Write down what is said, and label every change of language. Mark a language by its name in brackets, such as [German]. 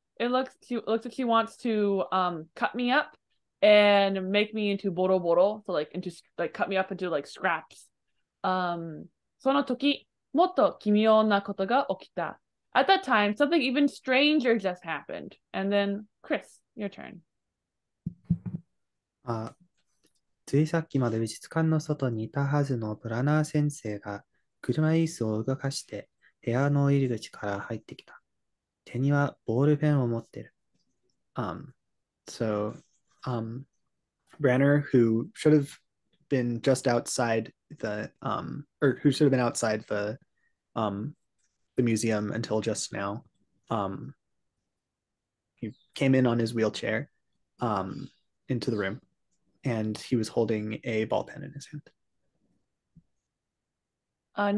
[English] It looks like she wants to cut me up and make me into boro boro, so like into like cut me up into like scraps. [Japanese] Sono toki motto kimio na koto ga okita. [English] At that time, something even stranger just happened. And then Chris, your turn. [Japanese] ついさっきまで美術館の外にいたはずのブラナー先生が車椅子を動かして部屋の入り口から入ってきた。手にはボールペンを持ってる。 [English] Branner, who should have been just outside the or who should have been outside the museum until just now, he came in on his wheelchair into the room, and he was holding a ball pen in his hand.